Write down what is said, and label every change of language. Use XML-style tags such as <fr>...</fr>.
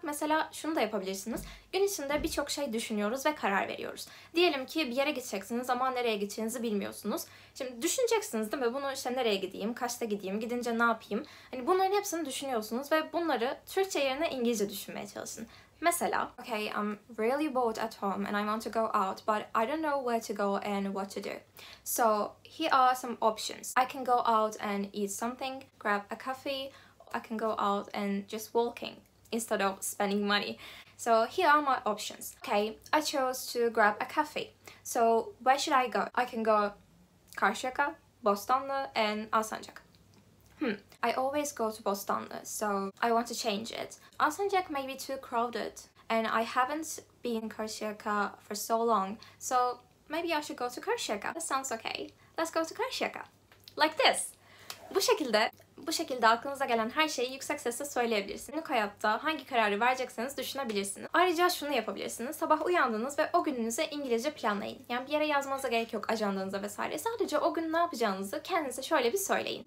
<tr>Mesela şunu da yapabilirsiniz. Gün içinde birçok şey düşünüyoruz ve karar veriyoruz. Diyelim ki bir yere gideceksiniz ama nereye gideceğinizi bilmiyorsunuz. Şimdi düşüneceksiniz değil mi? Bunu işte nereye gideyim, kaçta gideyim, gidince ne yapayım? Hani bunların hepsini düşünüyorsunuz ve bunları Türkçe yerine İngilizce düşünmeye çalışın. Mesela,</tr> <en>okay, I'm really bored at home and I want to go out, but I don't know where to go and what to do. So, here are some options. I can go out and eat something, grab a coffee, I can go out and just walking instead of spending money. So, here are my options. Okay, I chose to grab a coffee. So, where should I go? I can go Karşıyaka, Bostanlı and Alsancak. I always go to Bostanlı, so I want to change it. Alsancak may be too crowded, and I haven't been Karşıyaka for so long, so maybe I should go to Karşıyaka. That sounds okay. Let's go to Karşıyaka. Like this.</en> <tr>Bu şekilde aklınıza gelen her şeyi yüksek sesle söyleyebilirsiniz. Günlük hayatta hangi kararı verecekseniz düşünebilirsiniz. Ayrıca şunu yapabilirsiniz. Sabah uyandınız ve o gününüze İngilizce planlayın. Yani bir yere yazmanıza gerek yok ajandanıza vesaire. Sadece o gün ne yapacağınızı kendinize şöyle bir söyleyin.</tr>